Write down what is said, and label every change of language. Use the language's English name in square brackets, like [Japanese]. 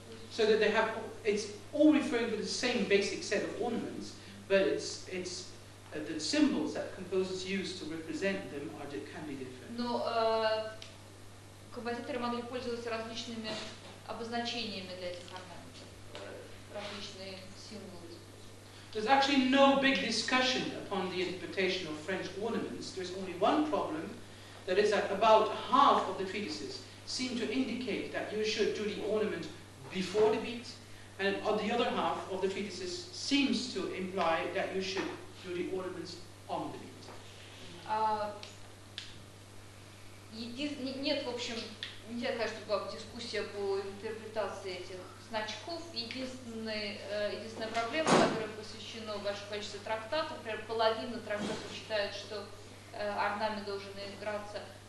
[English] So that they have, it's all referring to the same basic set of ornaments, but it's the symbols that composers use to represent them can be different. [Russian] Но композиторы могли пользоваться различными обозначениями для этих орнаментов, различные символы. [English] There's actually no big discussion upon the interpretation of French ornaments. There's only one problem. That is that about half of the treatises seem to indicate that you should do the ornament before the beat, and the other half of the treatises seems to imply that you should do the ornaments on the beat. [Russian] Нет, в общем, Я знаю, что была дискуссия по интерпретации этих значков. Единственная проблема, которая посвящена вашему количеству трактатов, например, половина трактатов считает, что орнамент должен играться...